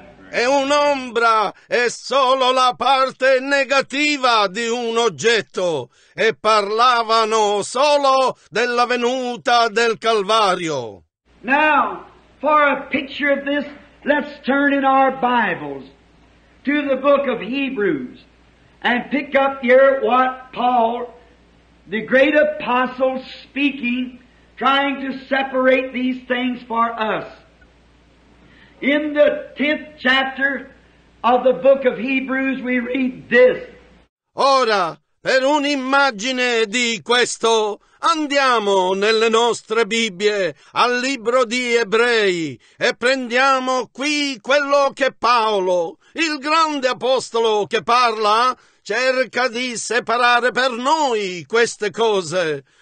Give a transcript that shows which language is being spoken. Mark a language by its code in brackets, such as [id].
[it] E un'ombra è solo la parte negativa di un oggetto, e parlavano solo della venuta del Calvario. [en] Now, for a picture of this, let's turn in our Bibles to the book of Hebrews and pick up here what Paul, the great apostle, speaking, trying to separate these things for us. In the 10th chapter of the book of Hebrews we read this. [it] Ora, per un'immagine di questo, andiamo nelle nostre Bibbie al libro di Ebrei e prendiamo qui quello che Paolo, il grande apostolo che parla, cerca di separare per noi queste cose.